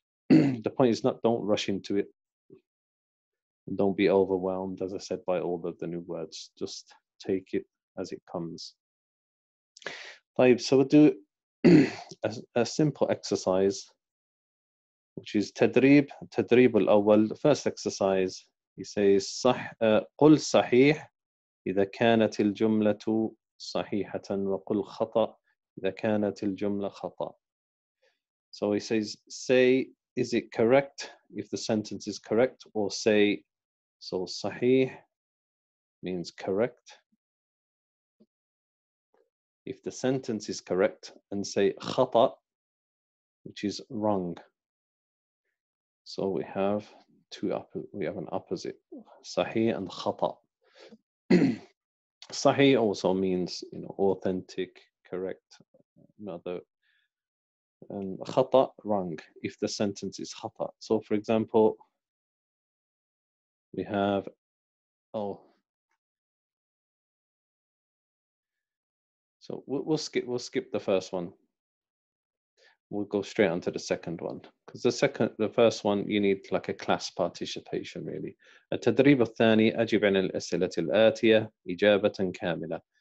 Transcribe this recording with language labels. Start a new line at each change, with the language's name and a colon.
English: The point is, not don't rush into it. Don't be overwhelmed, as I said, by all of the new words. Just take it as it comes. So we'll do a simple exercise, which is
Arabic: tadrib al-awwal.
English: The first exercise, he says,
Arabic: صح, قل صحيح إذا كانت الجملة صحيحة وقل خطأ إذا كانت الجملة خطأ.
English: So he says, say, is it correct if the sentence is correct, or say, so صحيح means correct. If the sentence is correct, and say خطأ, which is wrong. So we have an opposite, صحيح and خطأ. صحيح also means, you know, authentic, correct, another. And خطأ, wrong, if the sentence is خطأ. So for example, we have, so we'll skip the first one. We'll go straight on to the second one. Because the first one, you need like a class participation, really.
Arabic: التدريب الثاني أجب عن الأسئلة الآتية إجابة كاملة.